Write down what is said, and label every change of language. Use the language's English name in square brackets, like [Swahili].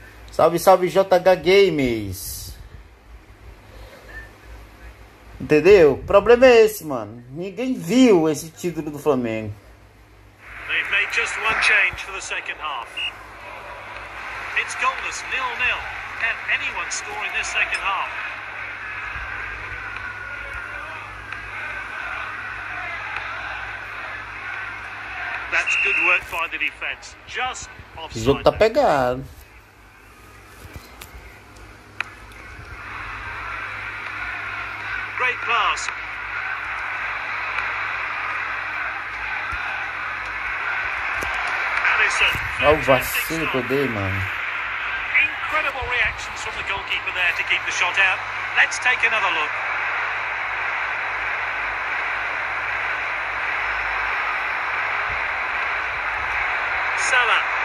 [Portuguese] Salve, salve, JH Games. Entendeu? O problema é esse, mano. Ninguém viu esse título do Flamengo. [English] They've made just one change for the second half. It's goalless, 0-0. Can anyone score in this second half? That's good work by the defense. Just offside. [Portuguese] O jogo tá pegado. [English] Great pass. [Portuguese] Olha o vacilo que eu dei, mano. [English] Incredible reactions from the goalkeeper there to keep the shot out. Let's take another look. Salah.